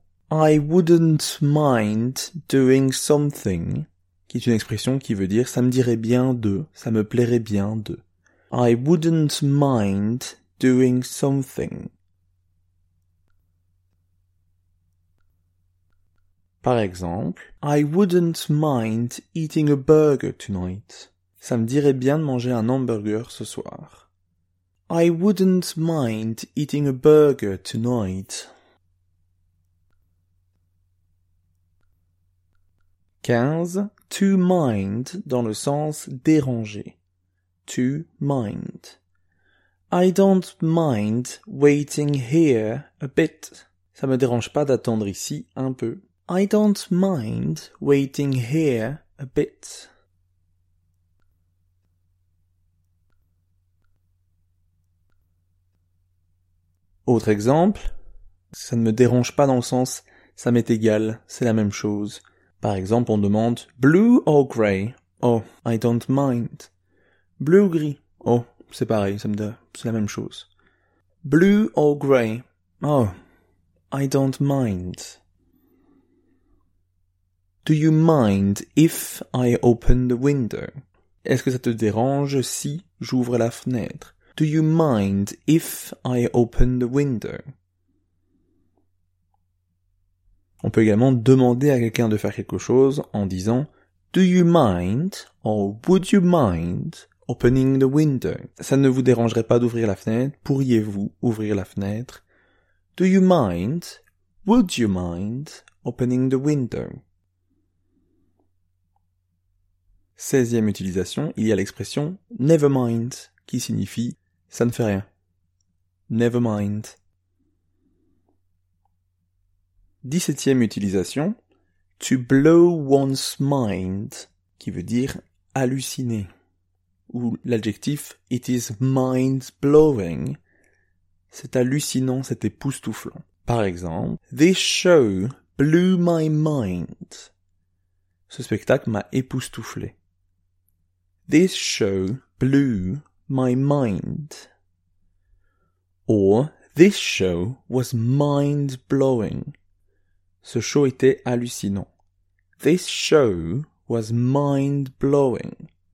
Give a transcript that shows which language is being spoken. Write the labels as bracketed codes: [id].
[en] I wouldn't mind doing something, [fr] qui est une expression qui veut dire ça me dirait bien de, ça me plairait bien de. [en] I wouldn't mind doing something. [fr] Par exemple, [en] I wouldn't mind eating a burger tonight. [fr] Ça me dirait bien de manger un hamburger ce soir. [en] I wouldn't mind eating a burger tonight. To mind [fr] dans le sens déranger. [en] To mind. I don't mind waiting here a bit. [fr] Ça me dérange pas d'attendre ici un peu. [en] I don't mind waiting here a bit. [fr] Autre exemple. Ça ne me dérange pas dans le sens ça m'est égal, c'est la même chose. Par exemple, on demande [en] blue or grey. Oh, I don't mind. Blue [fr] ou gris. Oh, c'est pareil, ça me dérange. C'est la même chose. [en] Blue or grey. Oh, I don't mind. Do you mind if I open the window? [fr] Est-ce que ça te dérange si j'ouvre la fenêtre? [en] Do you mind if I open the window? [fr] On peut également demander à quelqu'un de faire quelque chose en disant [en] Do you mind or would you mind opening the window? [fr] Ça ne vous dérangerait pas d'ouvrir la fenêtre? Pourriez-vous ouvrir la fenêtre? [en] Do you mind? Would you mind opening the window? [fr] 16e utilisation, il y a l'expression [en] never mind [fr] qui signifie ça ne fait rien. [en] Never mind. [fr] 17e utilisation, [en] to blow one's mind [fr] qui veut dire halluciner. Ou l'adjectif [en] it is mind blowing. [fr] C'est hallucinant, c'est époustouflant. Par exemple, [en] this show blew my mind. [fr] Ce spectacle m'a époustouflé. [en] This show blew my mind. Or, this show was mind-blowing. [fr] Ce show était hallucinant. [en] This show was mind-blowing.